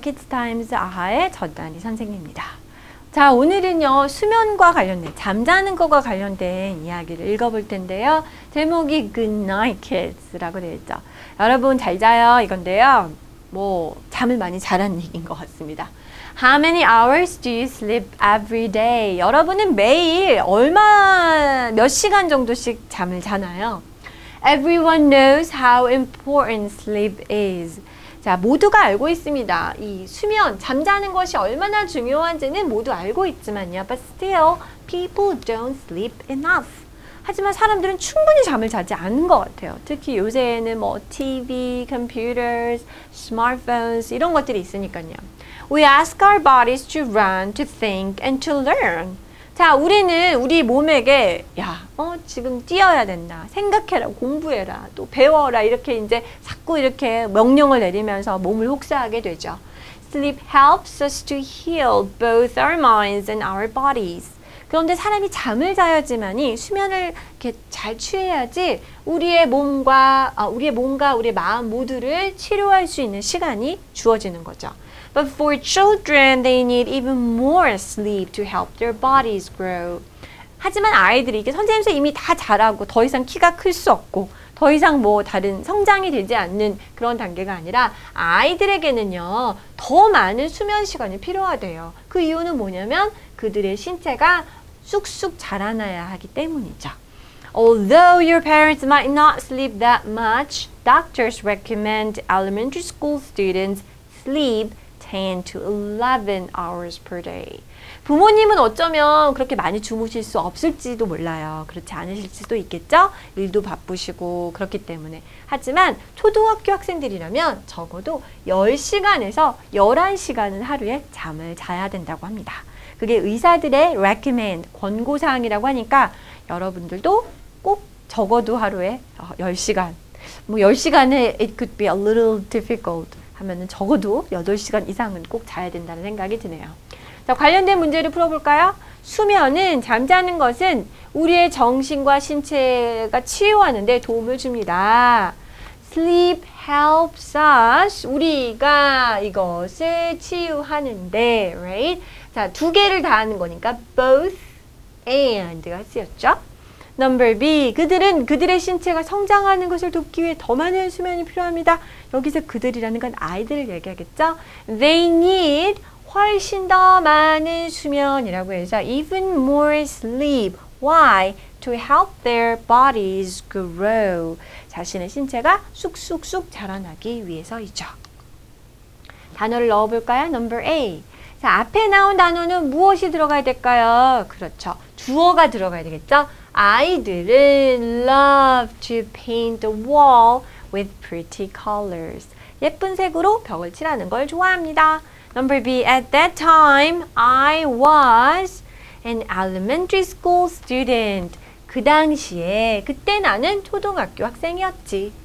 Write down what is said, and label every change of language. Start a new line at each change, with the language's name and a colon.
Korean: 키즈타임즈 아하의 전다니 선생님입니다. 자, 오늘은요, 수면과 관련된, 잠자는 것과 관련된 이야기를 읽어볼 텐데요. 제목이 Good Night Kids라고 되어 있죠. 여러분, 잘 자요. 이건데요. 뭐, 잠을 많이 자란 얘기인 것 같습니다.
English: How many hours do you sleep every day?
Korean: 여러분은 매일 몇 시간 정도씩 잠을 자나요?
English: Everyone knows how important sleep is.
Korean: 자, 모두가 알고 있습니다. 이 수면, 잠자는 것이 얼마나 중요한지는 모두 알고 있지만요.
English: But still, people don't sleep enough.
Korean: 하지만 사람들은 충분히 잠을 자지 않는 것 같아요. 특히 요새에는 뭐 TV, computers, smartphones 이런 것들이 있으니까요.
English: We ask our bodies to run, to think, and to learn.
Korean: 자, 우리는 우리 몸에게 지금 뛰어야 된다, 생각해라, 공부해라, 또 배워라 이렇게 이제 자꾸 이렇게 명령을 내리면서 몸을 혹사하게 되죠.
English: Sleep helps us to heal both our minds and our bodies.
Korean: 그런데 사람이 잠을 자야지만이 수면을 이렇게 잘 취해야지 우리의 몸과 우리의 마음 모두를 치료할 수 있는 시간이 주어지는 거죠.
English: But for children, they need even more sleep to help their bodies grow.
Korean: 하지만 아이들이 이게 선생님께서 이미 다 자라고 더 이상 키가 클 수 없고 더 이상 뭐 다른 성장이 되지 않는 그런 단계가 아니라 아이들에게는요 더 많은 수면 시간이 필요하대요. 그 이유는 뭐냐면 그들의 신체가 쑥쑥 자라나야 하기 때문이죠.
English: Although your parents might not sleep that much, doctors recommend elementary school students sleep 10 to 11 hours per day.
Korean: 부모님은 어쩌면 그렇게 많이 주무실 수 없을지도 몰라요. 그렇지 않으실지도 있겠죠? 일도 바쁘시고 그렇기 때문에. 하지만 초등학교 학생들이라면 적어도 10시간에서 11시간은 하루에 잠을 자야 된다고 합니다. 그게 의사들의 recommend, 권고사항이라고 하니까 여러분들도 꼭 적어도 하루에 10시간. 뭐 10시간에
English: it could be a little difficult.
Korean: 하면은 적어도 8시간 이상은 꼭 자야 된다는 생각이 드네요. 자, 관련된 문제를 풀어볼까요? 수면은 잠자는 것은 우리의 정신과 신체가 치유하는 데 도움을 줍니다.
English: Sleep helps us.
Korean: 우리가 이것을 치유하는 데,
English: right?
Korean: 자, 두 개를 다 하는 거니까
English: both and
Korean: 가 쓰였죠.
English: Number B,
Korean: 그들은 그들의 신체가 성장하는 것을 돕기 위해 더 많은 수면이 필요합니다. 여기서 그들이라는 건 아이들을 얘기하겠죠?
English: They need
Korean: 훨씬 더 많은 수면이라고 해서
English: even more sleep. Why? To help their bodies grow.
Korean: 자신의 신체가 쑥쑥쑥 자라나기 위해서이죠. 단어를 넣어볼까요?
English: Number A.
Korean: 자, 앞에 나온 단어는 무엇이 들어가야 될까요? 그렇죠. 주어가 들어가야 되겠죠? 아이들은
English: love to paint the wall with pretty colors.
Korean: 예쁜 색으로 벽을 칠하는 걸 좋아합니다.
English: Number B, at that time, I was an elementary school student.
Korean: 그 당시에, 그때 나는 초등학교 학생이었지.